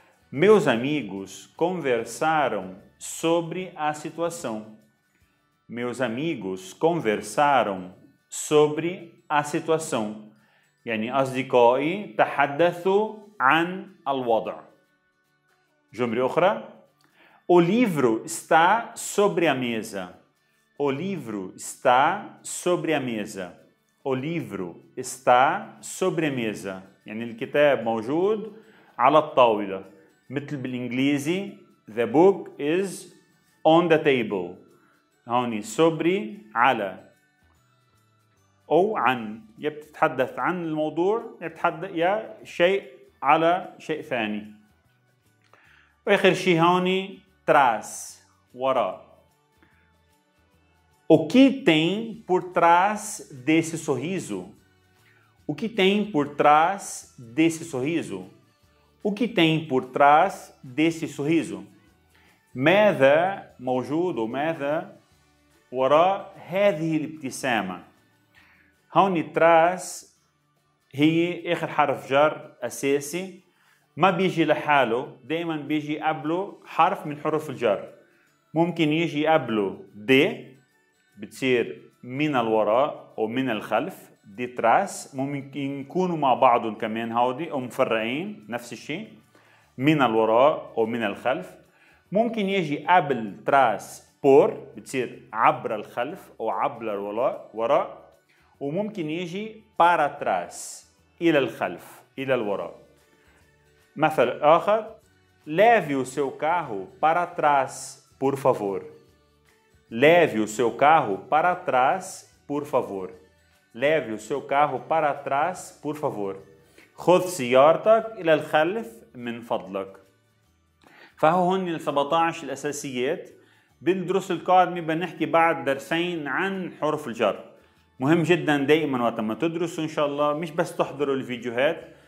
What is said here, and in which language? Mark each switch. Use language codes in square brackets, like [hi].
[pt] Meus amigos conversaram sobre a situação. Meus amigos conversaram sobre a situação. [ar] يعني أصدقائي تحدثوا عن الوضع. جملة أخرى. [pt] O livro está sobre a mesa. O livro está sobre a mesa. O livro está sobre a mesa. [ar] يعني الكتاب موجود على الطاولة. مثل بالإنجليزي [en] the book is on the table. [ar] هوني sobre على أو عن. يا بتتحدث عن الموضوع يا بتتحدث يا شيء على شيء ثاني. وآخر شيء هوني trás وراء. O que tem por trás desse sorriso? O que tem por trás desse sorriso? O que tem por trás desse sorriso? ماذا موجود وماذا وراء هذه الابتسامة؟ هون تراس هي آخر حرف جر أساسي ما بيجي لحاله دائما بيجي قبله حرف من حروف الجر. ممكن يجي قبله دي بتصير من الوراء أو من الخلف دي تراس. ممكن يكونوا مع بعضهم كمان هودي أو مفرقين نفس الشيء من الوراء أو من الخلف. ممكن يجي قبل تراس بور بتصير عبر الخلف أو عبر الوراء وراء. وممكن يجي بارا تراس إلى الخلف إلى الوراء. مثل آخر [pt] لافي سو كاهو بارا تراس بور فافور. لافي سو كاهو بارا تراس بور فافور. Leve o seu carro para trás, por favor. [ar] خذ سيارتك إلى الخلف من فضلك. فهو هن 17 الأساسيات. بالدروس القادمة بنحكي بعد درسين عن حروف الجر. مهم جدا دائما وقت ما تدرسوا إن شاء الله مش بس تحضروا الفيديوهات.